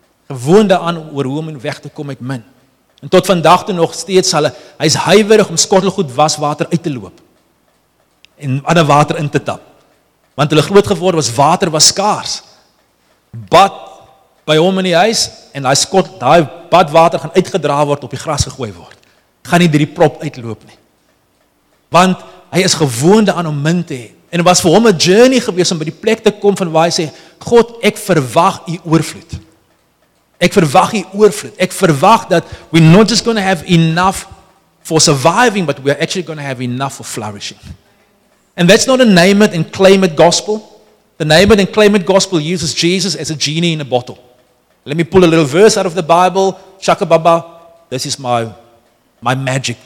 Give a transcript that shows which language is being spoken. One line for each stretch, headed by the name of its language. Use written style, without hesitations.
Afrikaans: Gewoonde aan oor hoe om in weg te kom met min. En tot vandag toe nog steeds hy's huiwerig om skottelgoed waswater uit te loop en ander water in te tap. Want hulle groot geword was water was skaars. Bad by hom in die huis en daai badwater gaan uitgedra word op die gras gegooi word. Gaan nie die prop uitloop nie. Want hy is gewoonde aan om min te hê. En het was vir hom 'n journey gewees om by die plek te kom van waar hy sê, God, ek verwag u oorvloed. Ek verwag u oorvloed. Ek verwag dat
English: we're not just going to have enough for surviving, but we're actually going to have enough for flourishing. And that's not a name it and claim it gospel. The name it and claim it gospel uses Jesus as a genie in a bottle. Let me pull a little verse out of the Bible. Shaka Baba, this is my magic.